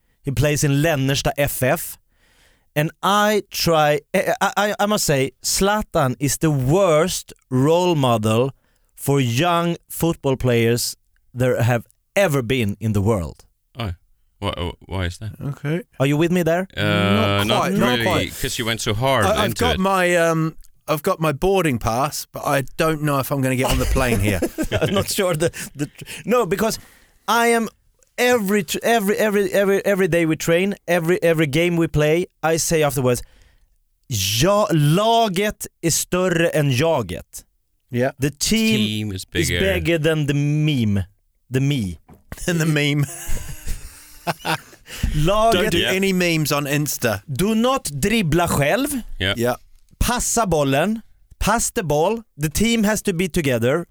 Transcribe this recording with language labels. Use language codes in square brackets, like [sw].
[en] He plays in Lennersta FF, and I must say, Zlatan is the worst role model for young football players there have ever been in the world. Oh, why is that? Okay. Are you with me there? Not really, because you went so hard into it. I've got my boarding pass, but I don't know if I'm going to get on the plane here. I'm not sure. No, because I am... Every day we train, every game we play, I say afterwards, [sv] laget är större än jaget. [en] Yeah. The team is bigger than the meme. Than the meme. Any memes on Insta. Do not [sv] dribbla själv. [en] Yeah. [sv] Passa bollen. [en] Pass the ball. The team has to be together.